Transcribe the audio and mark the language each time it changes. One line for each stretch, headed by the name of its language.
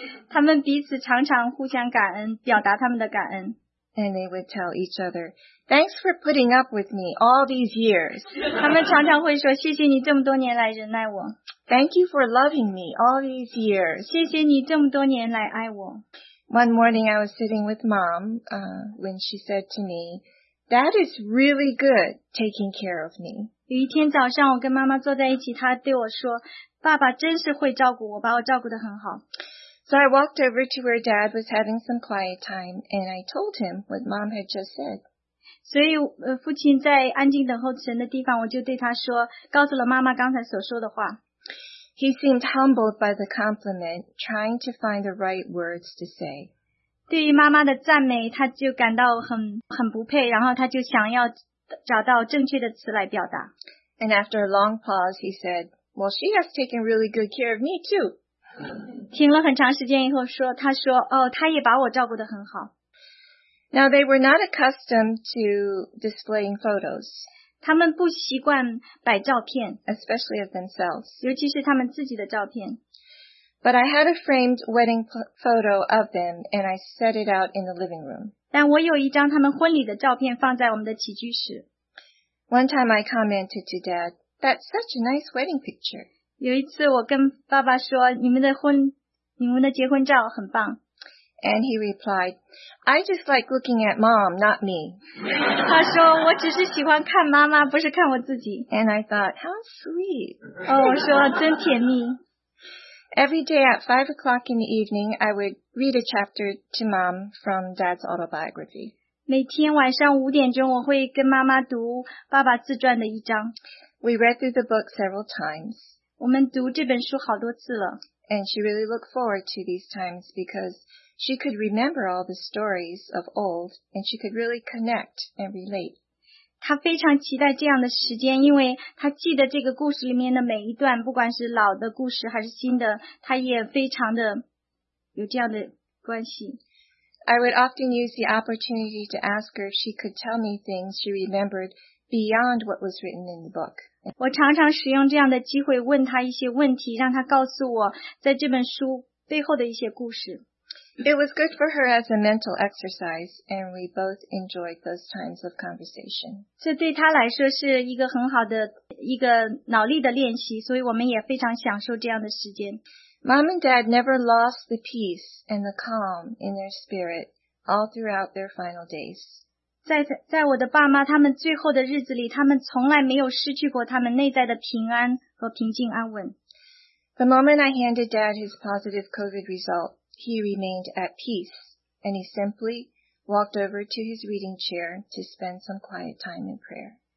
Chinese: 他们彼此常常互相感恩，表达他们的感恩。
English: And they would tell each other, Thanks for putting up with me all these years.
Chinese: 他们常常会说谢谢你这么多年来忍耐我。
English: Thank you for loving me all these years.
Chinese: 谢谢你这么多年来爱我。
English: One morning I was sitting with mom, when she said to me, Dad is really good taking care of me.
Chinese: 有一天早上我跟妈妈坐在一起，她对我说，爸爸真是会照顾我，把我照顾得很好。
English: So I walked over to where Dad was having some quiet time, and I told him what mom had just said.
Chinese: 所以父亲在安静等候神的地方，我就对他说，告诉了妈妈刚才所说的话。
English: He seemed humbled by the compliment, trying to find the right words to say.
Chinese: 对于妈妈的赞美，他就感到很不配，然后他就想要找到正确的词来表达。
English: And after a long pause, he said, "Well, she has taken really good care of me too."
Chinese: 停了很长时间以后说，他说，哦，她也把我照顾得很好。
English: Now, they were not accustomed to displaying photos.
Chinese: 他们不习惯摆照片。
English: Especially of themselves.
Chinese: 尤其是他们自己的照片。
English: But I had a framed wedding photo of them, and I set it out in the living room.
Chinese: 但我有一张他们婚礼的照片放在我们的起居室。
English: One time I commented to Dad, that's such a nice wedding picture.
Chinese: 有一次我跟爸爸说，你们的婚，你们的结婚照很棒。
English: And he replied, I just like looking at mom, not me.
Chinese: 他说我只是喜欢看妈妈，不是看我自己。
English: And I thought, how sweet.
Chinese: 哦，我说真甜蜜。
English: Every day at 5 o'clock in the evening, I would read a chapter to mom from Dad's autobiography.
Chinese: 每天晚上五点钟我会跟妈妈读爸爸自传的一章。
English: We read through the book several times.
Chinese: 我们读这本书好多次了。
English: And she really looked forward to these times because she could remember all the stories of old and she could really connect and relate.
Chinese: 她非常期待这样的时间，因为她记得这个故事里面的每一段，不管是老的故事还是新的，她也非常的有这样的关系。
English: I would often use the opportunity to ask her if she could tell me things she remembered beyond what was written in the book.
Chinese: 我常常使用这样的机会问她一些问题，让她告诉我在这本书背后的一些故事。
English: It was good for her as a mental exercise, and we both enjoyed those times of conversation.
Chinese: 这对她来说是一个很好的一个脑力的练习，所以我们也非常享受这样的时间。
English: Mom and Dad never lost the peace and the calm in their spirit all throughout their final days.
Chinese: 在我的爸妈他们最后的日子里，他们从来没有失去过他们内在的平安和平静安稳。
English: The moment I handed Dad his positive COVID result, he remained at peace, and he simply walked over to his reading chair to spend some quiet time in prayer.